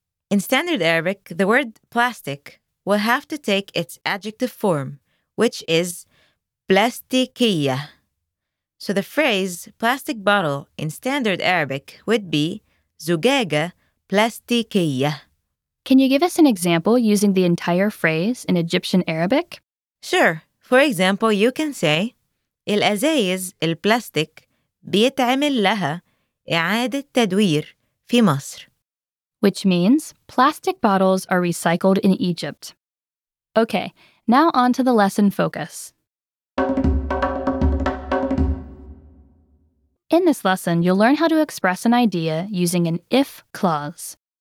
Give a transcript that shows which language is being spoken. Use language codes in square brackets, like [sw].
[en] In Standard Arabic, the word plastic will have to take its adjective form, which is بلاستيكية. So the phrase plastic bottle in Standard Arabic would be [ar] زجاجة بلاستيكية. [en] Can you give us an example using the entire phrase in Egyptian Arabic? Sure. For example, you can say [ar] الأزايز البلاستيك بيتعمل لها إعادة تدوير في مصر. [en] Which means plastic bottles are recycled in Egypt. Okay, now on to the lesson focus. In this lesson, you'll learn how to express an idea using an if clause.